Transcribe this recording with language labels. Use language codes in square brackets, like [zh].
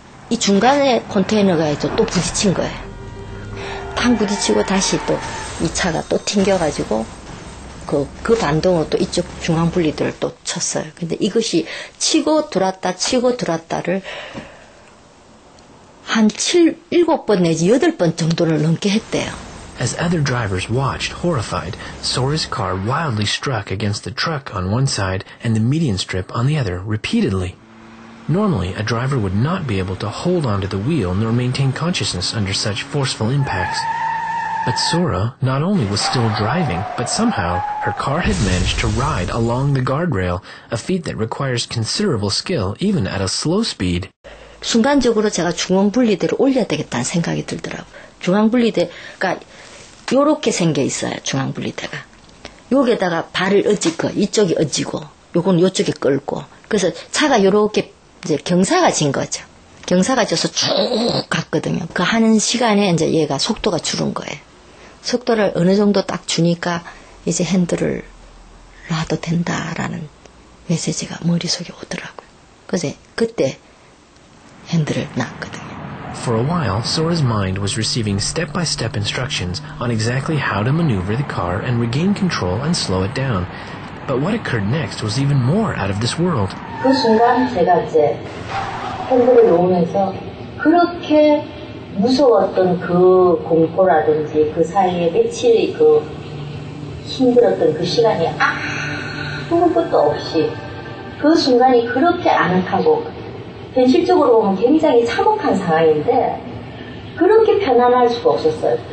[ko] 이 중간에 컨테이너가 이제 또 부딪힌 거예요. 탁 부딪히고 다시 또 이 차가 또 튕겨가지고 그 반동으로 또 이쪽 중앙 분리대를 또 쳤어요. 근데 이것이 치고 들었다를 한 7번 내지 8번 정도를 넘게 했대요. [en] As other drivers watched, horrified, Sora's car wildly struck against the truck on one side and the median strip on the other, repeatedly. Normally, a driver would not be able to hold onto the wheel nor maintain consciousness under such forceful impacts. But Sora not only was still driving, but somehow her car had managed to ride along the guardrail, a feat that requires considerable skill even at a slow speed. [ko] 순간적으로 제가 중앙분리대를 올려야 되겠다는 생각이 들더라고요. 중앙분리대가 이렇게 생겨있어요. 중앙분리대가. 여기에다가 발을 얹고 이쪽이 얹고 요건 이쪽에 끌고 그래서 차가 이렇게 이제 경사가 진 거죠. 경사가 져서 쭉 갔거든요. 그 하는 시간에 이제 얘가 속도가 줄은 거예요. 속도를 어느 정도 딱 주니까 이제 핸들을 놔도 된다라는 메시지가 머릿속에 오더라고요. 그래서 그때 핸들을 놨거든요. [en] For a while, Sora's mind was receiving step-by-step instructions on exactly how to maneuver the car and regain control and slow it down. But what occurred next was even more out of this world. [ko] 그 순간 제가 이제 핸들을 놓으면서 그렇게 무서웠던 그 공포라든지 그 사이에 며칠 그 힘들었던 그 시간이 아무것도 없이 그 순간이 그렇게 아늑하고 현실적으로 보면 굉장히 참혹한 상황인데 그렇게 편안할 수가 없었어요.